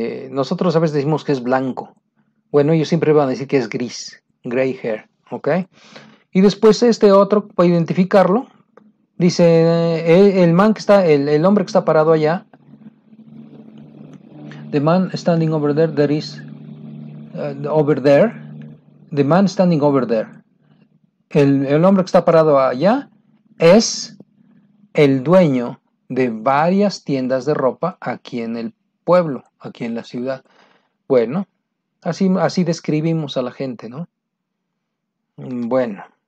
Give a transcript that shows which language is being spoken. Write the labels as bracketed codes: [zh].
[es] Nosotros a veces decimos que es blanco. Bueno, ellos siempre van a decir que es gris, gray hair, ¿ok? Y después este otro, para identificarlo. Dice el man que está, el hombre que está parado allá. [en] The man standing over there, there is over there. The man standing over there. [es] El hombre que está parado allá es el dueño de varias tiendas de ropa aquí en el pueblo, aquí en la ciudad. Bueno, así describimos a la gente, ¿no? Bueno.